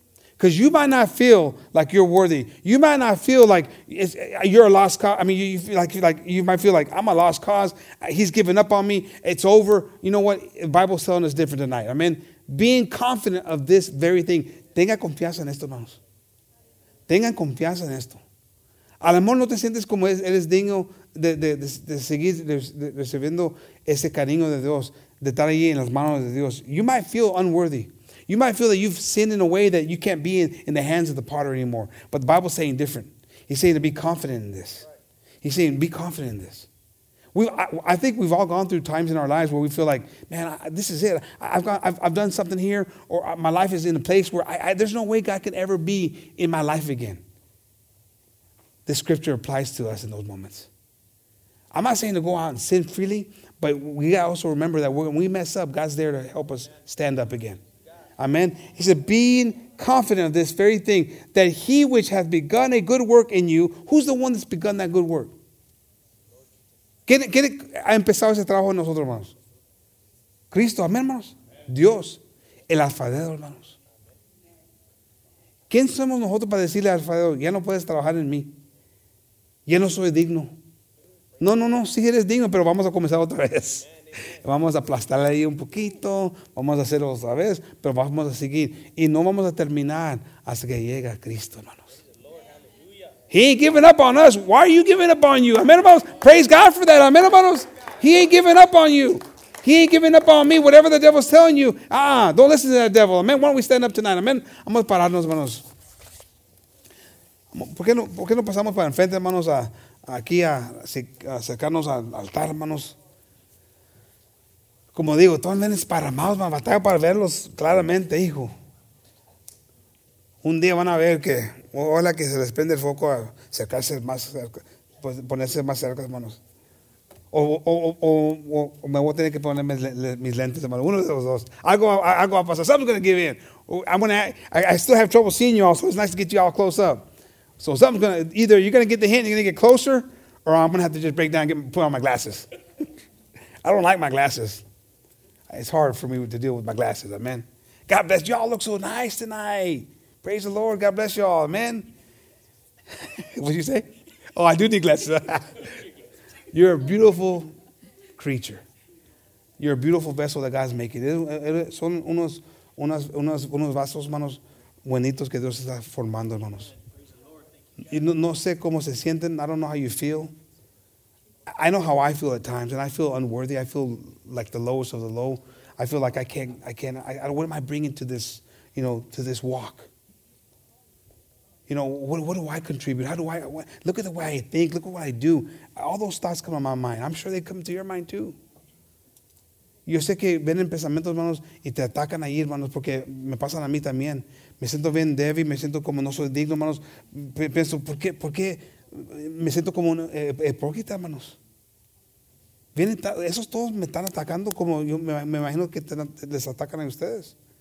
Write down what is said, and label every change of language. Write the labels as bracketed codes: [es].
[en] Because you might not feel like you're worthy. You might not feel like you're a lost cause. I mean, you might feel like I'm a lost cause. He's given up on me. It's over. You know what? The Bible's telling us different tonight. I mean, being confident of this very thing. [es] Tenga confianza en esto, hermanos. Tengan confianza en esto. A lo mejor no te sientes como eres digno de seguir recibiendo ese cariño de Dios, de estar allí en las manos de Dios. [en] You might feel unworthy. You might feel that you've sinned in a way that you can't be in the hands of the potter anymore. But the Bible's saying different. He's saying to be confident in this. He's saying be confident in this. I think we've all gone through times in our lives where we feel like, man, this is it. I've done something here, or my life is in a place where there's no way God can ever be in my life again. The scripture applies to us in those moments. I'm not saying to go out and sin freely, but we got to also remember that when we mess up, God's there to help us stand up again. Amen. He said, being confident of this very thing, that he which hath begun a good work in you, who's the one that's begun that good work? [es] ¿Quién ha empezado ese trabajo en nosotros, hermanos? Cristo, amén, hermanos. Dios, el alfarero, hermanos. ¿Quién somos nosotros para decirle al alfarero, ya no puedes trabajar en mí? Ya no soy digno. No, sí eres digno, pero vamos a comenzar otra vez. Vamos a aplastarle ahí un poquito, vamos a hacerlo otra vez, pero vamos a seguir. Y no vamos a terminar hasta que llegue Cristo, hermanos. [en] He ain't giving up on us. Why are you giving up on you? Amen, hermanos. Praise God for that. Amen, hermanos. He ain't giving up on you. He ain't giving up on me. Whatever the devil's telling you, don't listen to that devil. Amen. Why don't we stand up tonight? Amen. [es] Vamos a pararnos, hermanos. ¿Por qué no pasamos para enfrente, hermanos, aquí a acercarnos al altar, hermanos? Como digo, todos vienen esparramados, man, batalla para verlos claramente, hijo. Un día van a ver que, ojalá que se les prende el foco a acercarse más cerca, ponerse más cerca, hermanos. O me voy a tener que ponerme mis lentes, hermano. Uno de los dos. Algo va a pasar. [en] Something's going to give in. I still have trouble seeing you all, so it's nice to get you all close up. So something's going to, either you're going to get the hint, you're going to get closer, or I'm going to have to just break down and put on my glasses. I don't like my glasses. It's hard for me to deal with my glasses. Amen. God bless you. Y'all look so nice tonight. Praise the Lord. God bless y'all. Amen. What did you say? Oh, I do need glasses. You're a beautiful creature. You're a beautiful vessel that God's making. [es] Son unos vasos, manos buenitos que Dios está formando, manos. No sé cómo se sienten. [en] I don't know how you feel. I know how I feel at times, and I feel unworthy. I feel like the lowest of the low. I feel like I can't, what am I bringing to this, you know, to this walk? You know, what do I contribute? How do I, look at the way I think, look at what I do. All those thoughts come to my mind. I'm sure they come to your mind too. [es] Yo sé que vienen pensamientos, hermanos, y te atacan ahí, hermanos, porque me pasan a mí también. Me siento bien débil, me siento como no soy digno, hermanos. Pienso, ¿por qué? Me siento como un hipócrita, hermanos. Vienen, esos todos me están atacando como yo me imagino que les atacan a ustedes.